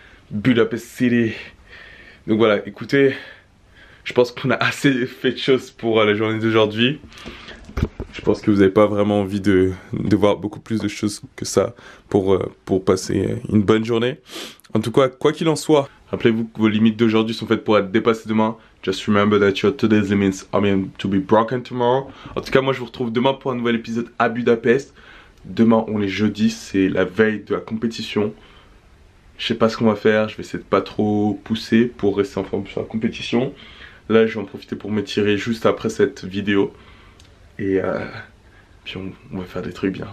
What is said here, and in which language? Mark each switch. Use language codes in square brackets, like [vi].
[fr] Budapest City. Donc voilà, écoutez, je pense qu'on a assez fait de choses pour la journée d'aujourd'hui. Je pense que vous n'avez pas vraiment envie de voir beaucoup plus de choses que ça pour passer une bonne journée. En tout cas, quoi qu'il en soit, rappelez-vous que vos limites d'aujourd'hui sont faites pour être dépassées demain. [en] Just remember that your today's limits are meant to be broken tomorrow. [fr] En tout cas, moi, je vous retrouve demain pour un nouvel épisode à Budapest. Demain, on est jeudi, c'est la veille de la compétition. Je sais pas ce qu'on va faire, je vais essayer de pas trop pousser pour rester en forme sur la compétition. Là, je vais en profiter pour m'étirer juste après cette vidéo. Et puis, on va faire des trucs bien.